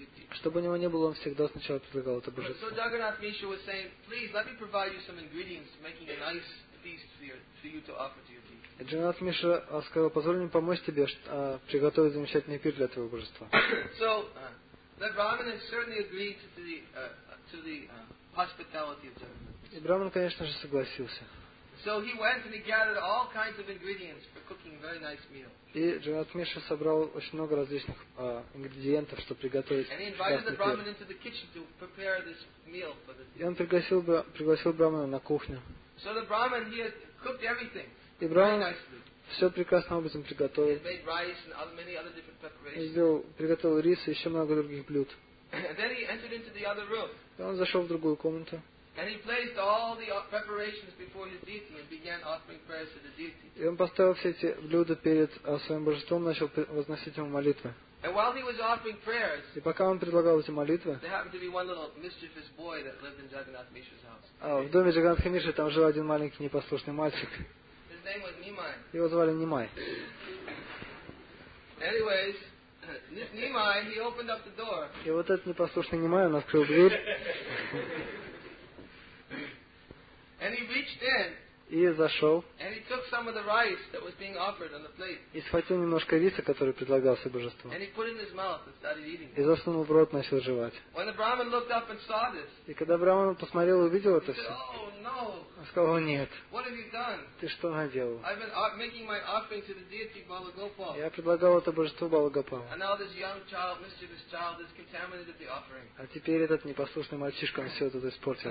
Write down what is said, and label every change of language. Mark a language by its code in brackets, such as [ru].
[ru] Что бы у него ни было, он всегда сначала предлагал это божество. [en] So Jagannath Mishra was saying, please let me provide you some ingredients to make a nice feast for you to offer to your deity. [ru] Джагнат Миша сказал, позволь мне помочь тебе приготовить замечательный пир для твоего божества. [en] So the Brahmin certainly agreed to the hospitality of Jagannath. [ru] И Брахман, конечно же, согласился. [en] So he went and he gathered all kinds of ingredients for cooking a very nice meal. [ru] И Джагнат Миша собрал очень много различных ингредиентов, чтобы приготовить. [en] And he invited the Brahmin into the kitchen to prepare this meal for the. [ru] И он пригласил Брахмана на кухню. [en] So the Brahmin, he had cooked everything. [ru] И Брахман все прекрасным образом приготовил. [en] He made rice and many other different preparations. [ru] Приготовил рис и еще много других блюд. [en] And then he entered into the other room. [ru] И он зашел в другую комнату. [en] And he placed all the preparations before his deity and began offering prayers to the deity. [ru] И он поставил все эти блюда перед своим божеством, начал возносить ему молитвы. [en] And while he was offering prayers, [ru] и пока он предлагал эти молитвы, [en] there happened to be one little mischievous boy that lived in Jagannath Mishra's house. [ru] А в доме Джаганнатха Миши там жил один маленький непослушный мальчик. [en] His name was Nimai. [ru] Его звали Нимай. [en] Anyways, Nimai, he opened up the door. [ru] И вот этот непослушный Нимай, он открыл дверь. [en] And he reached in, [ru] и зашел, [en] and he took some of the rice that was being offered on the plate, [ru] и схватил немножко риса, который предлагался божеству, [en] and he put it in his mouth and started eating. [ru] И засунул в рот, начал жевать. [en] When the Brahman looked up and saw this, [ru] и когда Брахман посмотрел и увидел это все, он сказал: нет. [en] What have you done? [ru] Ты что наделал? [en] I've been making my offering to the deity Balagopal. [ru] Я предлагал это божеству Балагопал. [en] And now this young child, mischievous child, has contaminated the offering. [ru] А теперь этот непослушный мальчишка все это испортил.